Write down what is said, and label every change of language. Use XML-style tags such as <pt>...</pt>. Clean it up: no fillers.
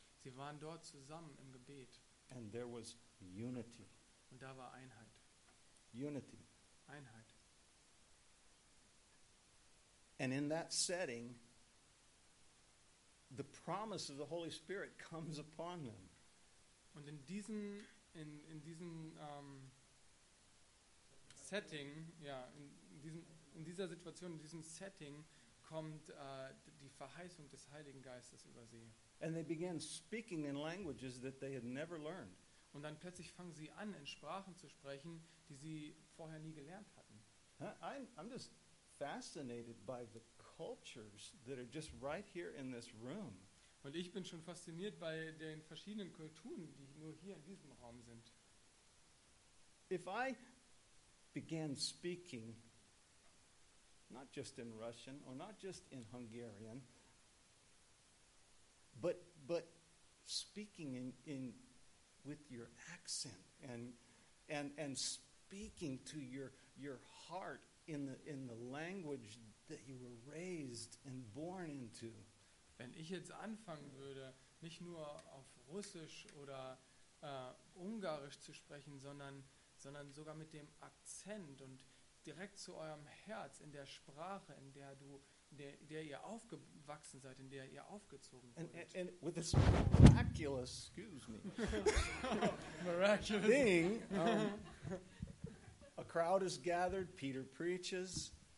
<de>Sie waren dort zusammen im Gebet.</de> <en>And there was unity.</en> <de>Und da war Einheit.</de> <en>Unity.</en> <de>Einheit.</de> <en>And in that setting, the promise of the Holy Spirit comes upon them.</en> <de>Und in diesem Setting, ja, in dieser Situation, in diesem Setting, kommt die Verheißung des Heiligen Geistes über sie.</de> <en>And they began speaking in languages that they had never learned.</en> <de>Und dann plötzlich fangen sie an, in Sprachen zu sprechen, die sie vorher nie gelernt hatten.</de> <en>I'm just fascinated by the cultures that are just right here in this room.</en> <de>Und ich bin schon fasziniert bei den verschiedenen Kulturen, die nur hier in diesem Raum sind.</de> <en>If I began speaking not just in Russian or not just in Hungarian, but speaking in with your accent and speaking to your heart in the language that you were raised and born into.</en> <de>Wenn ich jetzt anfangen würde, nicht nur auf Russisch oder Ungarisch zu sprechen, sondern sogar mit dem Akzent und direkt zu eurem Herz, in der Sprache, in der ihr aufgewachsen seid, in der ihr aufgezogen wurdet.</de> <en>And with this miraculous, excuse me, miraculous thing, a crowd is gathered, Peter preaches.</en>